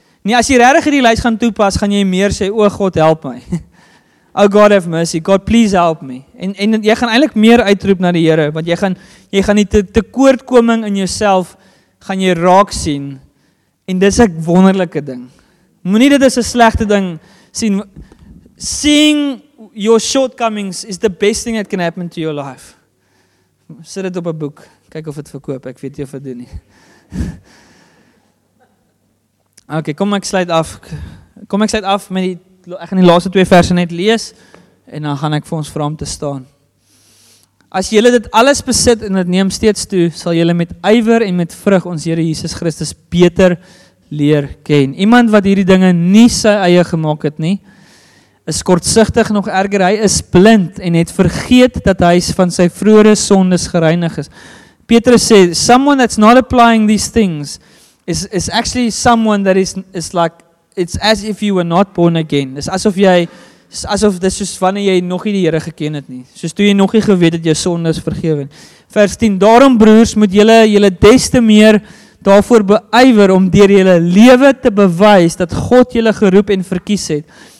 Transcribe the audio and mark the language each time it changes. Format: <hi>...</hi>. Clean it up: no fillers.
<af>Nee, as jy regtig hierdie lys gaan toepas, gaan jy meer sê, "O God, help my."</af> <en>Oh God have mercy. God please help me.</en> <af>En jy gaan eintlik meer uitroep na die Here, want jy gaan die tekortkoming in jouself gaan jy raak sien. En dis 'n wonderlike ding. Moenie dit as 'n slegte ding sien.</af> <en>Seeing your shortcomings is the best thing that can happen to your life.</en> <af>Sit dit op 'n boek. Kyk of dit verkoop. Ek weet jy wat doen nie. Okay, kom ek sluit af. Kom ek sluit af met die ek gaan die laaste twee verse net lees en dan gaan ek vir ons vra om te staan. As jy dit alles besit en dit neem steeds toe, sal jy met ywer en met vrug ons Here Jesus Christus beter leer ken. Iemand wat hierdie dinge nie sy eie gemaak het nie, is kortsigtig nog erger, hy is blind en het vergeet dat hy van sy vroeëre sondes gereinig is. Petrus sê,</af> <en>someone that's not applying these things is actually someone that is like, it's as if you were not born again.</en> <af>Dis asof jy, asof dis soos wanneer jy nog nie die Here geken het nie. Soos toe jy nog nie geweet het jou sonde is vergewe nie. Vers 10, daarom broers moet julle des te meer daarvoor beywer om deur julle lewe te bewys dat God julle geroep en verkies het.</af>